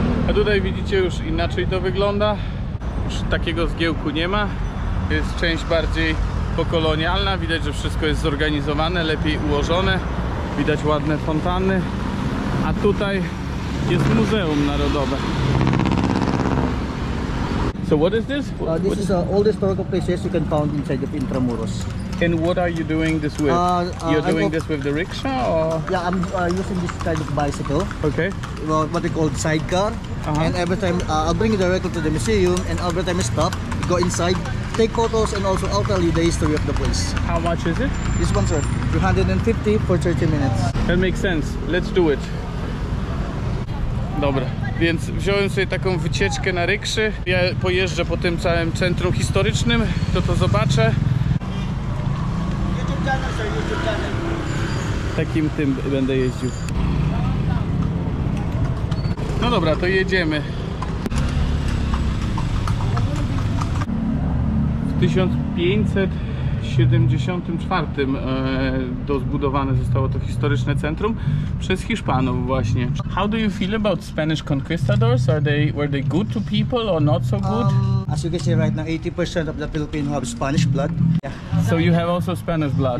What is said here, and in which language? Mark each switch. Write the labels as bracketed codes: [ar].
[pl] A tutaj widzicie, już inaczej to wygląda. Już takiego zgiełku nie ma. Jest część bardziej pokolonialna. Widać, że wszystko jest zorganizowane, lepiej ułożone. Widać ładne fontanny. A tutaj jest Muzeum Narodowe. [en] So what is this? This is the oldest historical places you can find inside of Intramuros. And what are you doing this with? You're doing this with the rickshaw or? Yeah, I'm using this kind of bicycle. Okay. What they call sidecar. Uh-huh. And every time I'll bring it directly to the museum, and every time I stop, go inside, take photos, and also I'll tell you the history of the place. How much is it? This one, sir. 350 for 30 minutes. That makes sense. Let's do it. Dobra. [pl] Więc wziąłem sobie taką wycieczkę na rykszy. Ja pojeżdżę po tym całym centrum historycznym, to zobaczę. [en] YouTube channel, sir, YouTube channel. [pl] Takim tym będę jeździł. No dobra, to jedziemy. W 1574 dozbudowane zostało to historyczne centrum przez Hiszpanów właśnie. [en] How do you feel about Spanish conquistadors? Were they good to people or not so good? As you can see right now, 80% of the Filipino have Spanish blood. Yeah. So you have also Spanish blood?